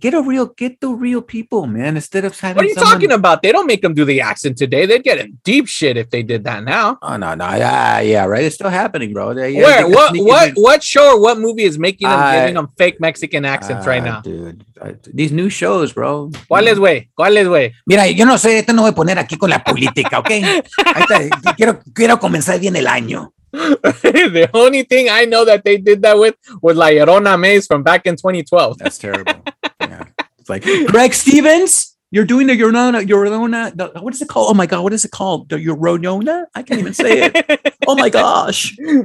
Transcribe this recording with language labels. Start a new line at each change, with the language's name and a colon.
English: Get the real people, man. Instead of having, what are you talking about? They don't make them do the accent today. They'd get in deep shit if they did that now. Oh, no. Yeah, right. It's still happening, bro. Yeah, where? What show or what movie is making them giving them fake Mexican accents right now? Dude. These new shows, bro.
Spanish: ¿Cuál es, güey? Mira, yo no sé, esto no voy a poner aquí con la política, ¿ok? quiero comenzar bien el año.
English: The only thing I know that they did that with was La Llorona Maze from back in 2012. That's terrible. Yeah. It's like, Greg Stevens, you're doing the Llorona, what is it called? Oh my God, what is it called? The Llorona? I can't even say it. Oh my gosh.